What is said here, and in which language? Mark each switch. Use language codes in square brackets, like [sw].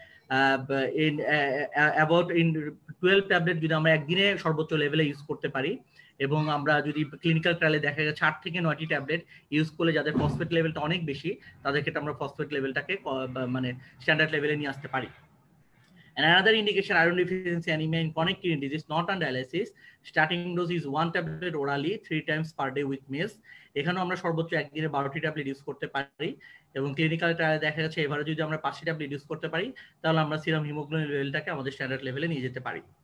[en] About 12 tablets [bn] যদি আমরা একদিনে সর্বোচ্চ লেভেলে ইউজ করতে পারি এবং আমরা যদি ক্লিনিক্যাল ট্রায়ালে দেখা গেছে 8 থেকে 9টি ট্যাবলেট ইউজ করলে যাদের ফসফেট লেভেলটা অনেক বেশি তাদের ক্ষেত্রে আমরা ফসফেট লেভেলটাকে মানে স্ট্যান্ডার্ড লেভেলে নিয়ে আসতে পারি [en] And another indication, iron deficiency anemia in chronic kidney disease, not on dialysis, starting dose is one tablet orally, 3 times per day with meals. [bn] এখানে আমরা সর্বোচ্চ একদিনে 12টি ট্যাবলেট ইউজ করতে পারি এবং ক্লিনিক্যাল ট্রায়ালে দেখা গেছে এবারে যদি আমরা 5টি ট্যাবলেট ইউজ করতে পারি তাহলে আমরা সিরাম হিমোগ্লোবিন লেভেলটাকে আমাদের স্ট্যান্ডার্ড লেভেলে নিয়ে যেতে পারি।